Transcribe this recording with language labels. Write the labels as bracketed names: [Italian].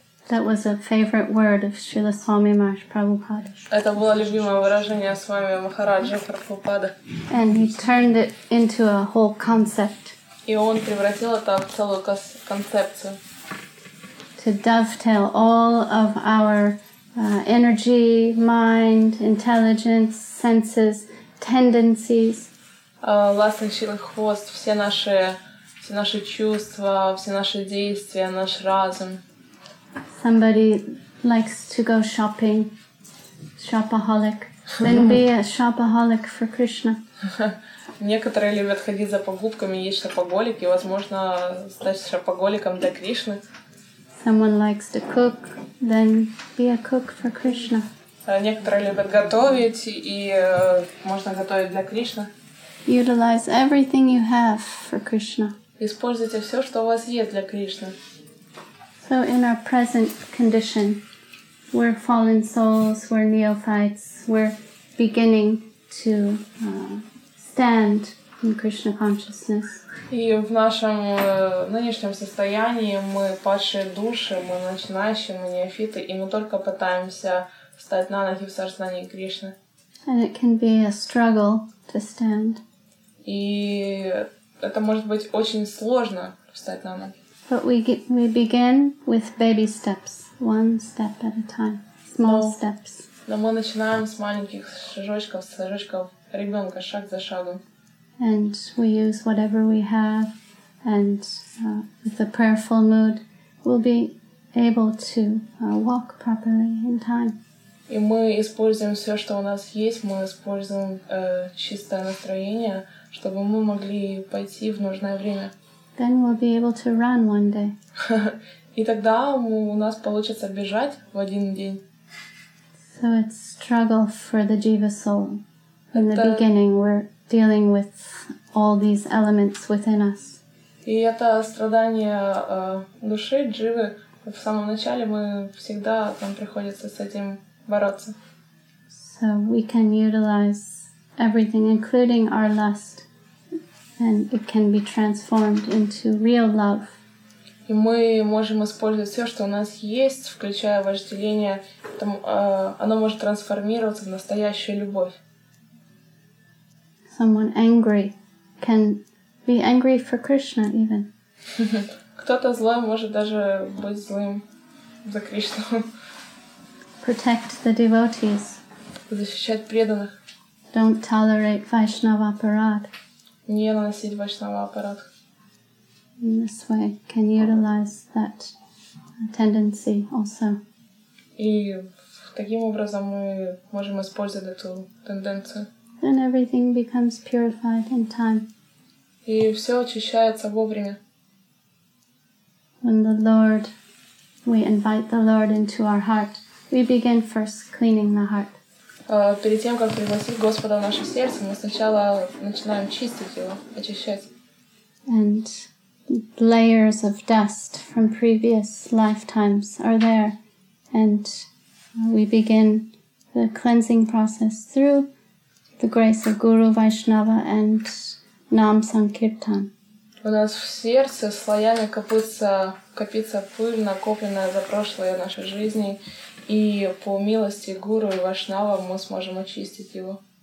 [English] That was a favorite word of Srila Swami Maharaj Prabhupada. [Russian] Это было любимое выражение Свами Махараджа Прабхупады. [English] And he turned it into a whole concept. [Russian] И он превратил это в целую концепцию. [English] To dovetail all of our energy, mind, intelligence, senses, tendencies. [Russian] Ласточкин хвост, все наши чувства, все наши действия, наш разум. [English] Somebody likes to go shopping, shopaholic. Then be a shopaholic for Krishna. [Russian] Некоторые любят ходить за покупками, есть шопоголик, и возможно стать шопоголиком для Кришны. [English] Someone likes to cook, then be a cook for Krishna. [Russian] Некоторые любят готовить, и можно готовить для Кришны. [English] Utilize everything you have for Krishna. [Russian] Используйте все, что у вас есть для Кришны. [English] So in our present condition, we're fallen souls, we're neophytes, we're beginning to stand in Krishna consciousness. [Russian] И в нашем нынешнем состоянии мы падшие души, мы начинающие, мы неофиты, и мы только пытаемся встать на ноги в сознании Кришны. [English] And it can be a struggle to stand. [Russian] И это может быть очень сложно встать на ноги. [English] But we begin with baby steps, one step at a time, small steps. [Russian] Но мы начинаем с маленьких шажочков, с шажочков ребенка, шаг за шагом. [English] And we use whatever we have, and with a prayerful mood, we'll be able to walk properly in time. [Russian] И мы используем все, что у нас есть, мы используем чистое настроение, чтобы мы могли пойти в нужное время. [English] Then we'll be able to run one day. [Russian] И тогда у нас получится бежать в один день. [English] So it's struggle for the jiva soul. In the beginning, we're dealing with all these elements within us. [Russian] И это страдание души, дживы. В самом начале мы всегда там приходится с этим бороться. [English] So we can utilize everything, including our lust. And it can be transformed into real love. [Russian] И мы можем использовать все, что у нас есть, включая вожделение. Там, оно может трансформироваться в настоящую любовь. [English] Someone angry can be angry for Krishna even. [Russian] Кто-то злой может даже быть злым за Кришну. [English] Protect the devotees. [Russian] Защищать преданных. [English] Don't tolerate Vaishnava aparad. [Russian] Не наносить вайшнава аппарат. [English] In this way, can utilize that tendency also. [Russian] И таким образом мы можем использовать эту тенденцию. [English] Then everything becomes purified in time. [Russian] И все очищается вовремя. [English] When the Lord, we invite the Lord into our heart. We begin first cleaning the heart. [Russian] Перед тем, как пригласить Господа в наше сердце, мы сначала начинаем чистить его, очищать. [English] And layers of dust from previous lifetimes are there. And we begin the cleansing process through the grace of Guru Vaishnava and Nam Sankirtan. [Russian] У нас в сердце слоями копится пыль, накопленная за прошлые наши жизни. И по милости Гуру и Вашнава мы сможем очистить его.